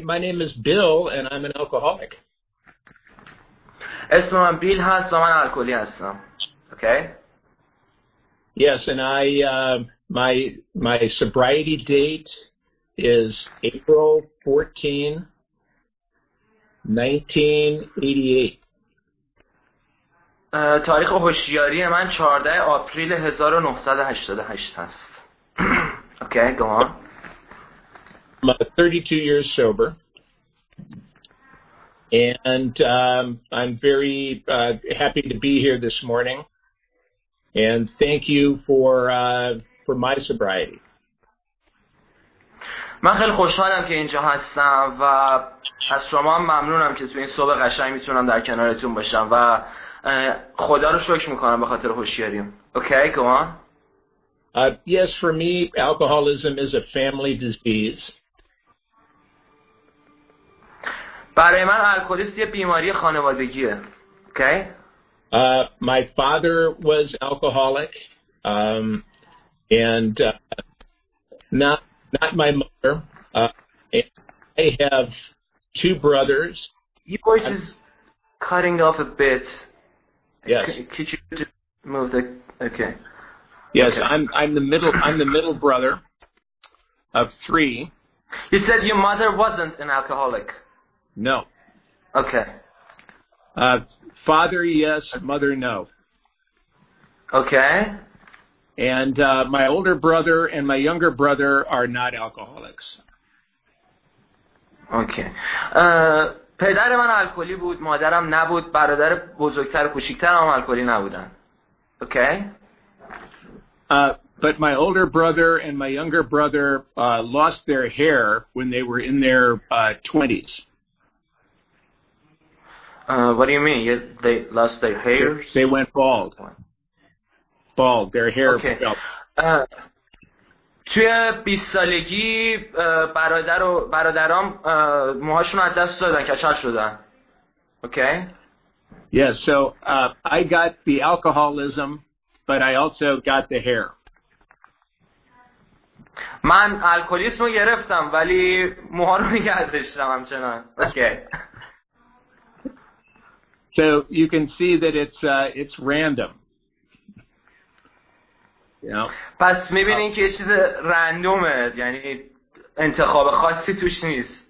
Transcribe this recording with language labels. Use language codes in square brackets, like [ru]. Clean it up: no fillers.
[en] My name is Bill, and I'm an alcoholic. [fa] اسم من بیل هست و من الکلی هستم. [en] Okay. Yes, and I my sobriety date is April 14, 1988. [fa] تاریخ هوشیاری من 14 آپریل 1988 هست. [en] Okay, go on. I'm 32 years sober, and I'm very happy to be here this morning, and thank you for my sobriety. [fa] من خیلی خوشحالم که اینجا هستم و از شما هم ممنونم که تو این صبح قشنگ میتونم در کنارتون باشم و خدا رو شکر میکنم به خاطر هوشیاریم. [en] Okay, go on. Yes, for me, alcoholism is a family disease. [fa] برای من الکلیست یه بیماری خانوادگیه. [en] Okay. My father was alcoholic, and not my mother. I have two brothers. Your voice is cutting off a bit. Yes. Could you move the? Okay. Yes, okay. I'm the middle brother of three. You said your mother wasn't an alcoholic. No. Okay. Father, yes. Mother, no. Okay. And my older brother and my younger brother are not alcoholics. Okay. [fa] پدر من الکلی بود، مادرم نبود، برادر بزرگتر و کوچکتر هم الکلی نبودن. [en] Okay. But my older brother and my younger brother lost their hair when they were in their 20s. What do you mean? They lost their hair? They went bald. Bald. Their hair fell. [fa] توی 20 سالگی برادر و برادرام موهاشون از دست دادن، کچل شدن. [en] Okay? Yes, so I got the alcoholism, but I also got the hair. [fa] من الکلیسم رو گرفتم ولی موها رو نگذاشتم همچنان. [en] Okay. So you can see that it's random. Yeah. [fa] پس می‌بینین که یه چیز رندومه، یعنی انتخاب خاصی توش نیست.